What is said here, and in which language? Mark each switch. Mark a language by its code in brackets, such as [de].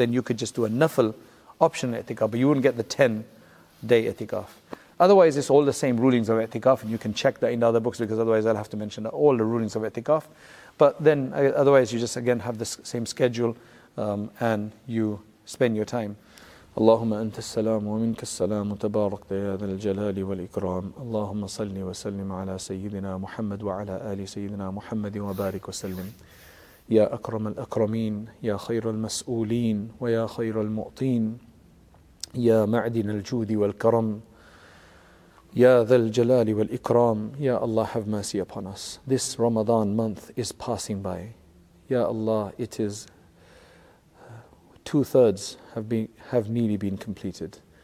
[en] Then you could just do a nafl optional i'tikaf, but you wouldn't get the 10-day i'tikaf. Otherwise, it's all the same rulings of i'tikaf, and you can check that in the other books, because otherwise I'll have to mention all the rulings of i'tikaf. But then, otherwise you just again have the same schedule and you spend your time. [ar] اللهم أنت السلام ومنك السلام تبارك يا ذا الجلال والإكرام اللهم صلِّ وسلِّم على سيدنا محمد وعلى آل سيدنا محمد وبارك وسلم يا أكرم الأكرمين يا خير المسؤولين ويا خير المعطين يا معدن الجود والكرم يا ذا الجلال والإكرام يا الله [en] have mercy upon us. This Ramadan month is passing by. يا الله, it is 2/3 have nearly been completed.